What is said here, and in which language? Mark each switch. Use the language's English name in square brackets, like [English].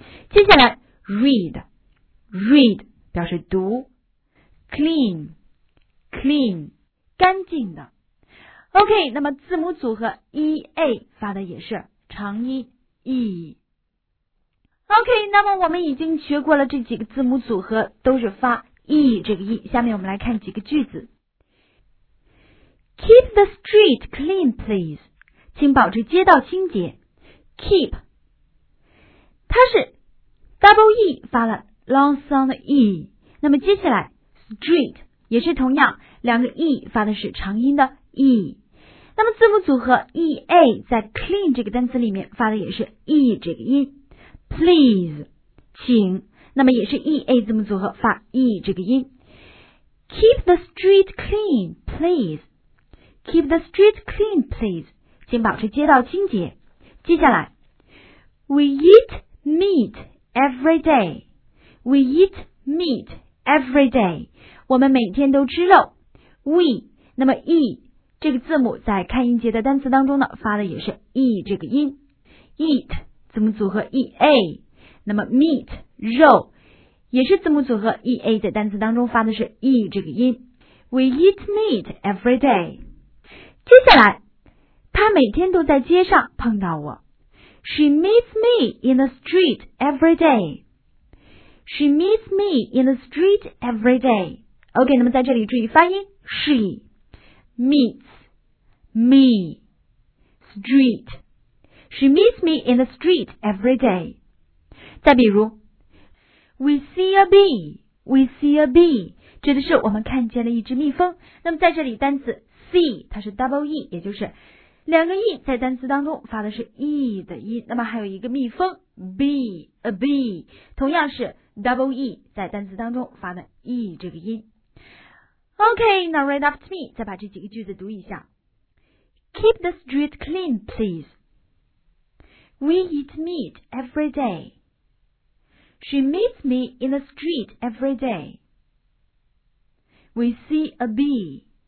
[Chinese] 接下来 read 表示读， clean 干净的。 OK， 那么字母组合 e a 发的也是长音 e。 OK， 那么我们已经学过了这几个字母组合都是发 e 这个 e， 下面我们来看几个句子。 [English] Keep the street clean please， [Chinese] 请保持街道清洁。 keep 它是 double e 发了 long sound e， 那么接下来 street 也是同样两个 E 发的是长音的 E。那么字母组合 EA 在 clean 这个单词里面发的也是 E 这个音， please 请，那么也是 EA 字母组合发 E 这个音。 [English] Keep the street clean please， Keep the street clean please， [Chinese] 请保持街道清洁。接下来 [English] We eat meat every day， We eat meat every day， [Chinese] 我们每天都吃肉。 We， 那么 E 这个字母在看音节的单词当中呢发的也是 E 这个音。 Eat 字母组合 EA， 那么 meat 肉也是字母组合 EA 的单词当中发的是 E 这个音。 [English] We eat meat every day。 [Chinese] 接下来他每天都在街上碰到我。 [English] She meets me in the street every day。 She meets me in the street every day。 OK， [Chinese] 那么在这里注意发音， [English] She meets me street， She meets me in the street every day。 [Chinese] 再比如 [English] We see a bee， We see a bee， [Chinese] 指的是我们看见了一只蜜蜂。那么在这里单词 see 它是 double E， 也就是两个 E 在单词当中发的是 E 的音。那么还有一个蜜蜂 bee， a bee 同样是 double E 在单词当中发的 E 这个音。 [English] OK， now read up to me， [Chinese] 再把这几个句子读一下。 [English] Keep the street clean please， We eat meat every day， She meets me in the street every day， We see a bee。